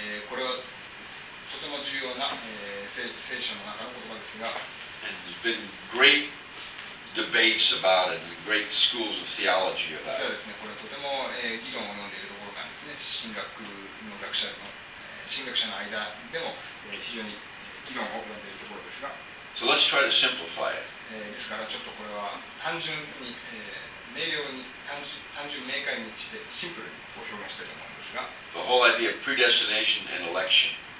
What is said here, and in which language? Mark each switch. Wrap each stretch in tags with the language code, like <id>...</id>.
<ja>これはとても重要な、聖書の中の言葉ですが、</ja> <en>And there's been great debates about it, great schools of theology about it.</en> <ja>そうですね、これとても、議論を読んでいるところなんですね。神学の学者の、神学者の間でも、非常に議論を読んでいるところですが。</ja> <en>So let's try to simplify it.</en> <ja>ですからちょっとこれは単純に、明瞭に、単純明快にしてシンプルにご表現したいと思うんですが。</ja> <en>The whole idea of predestination and election.</en>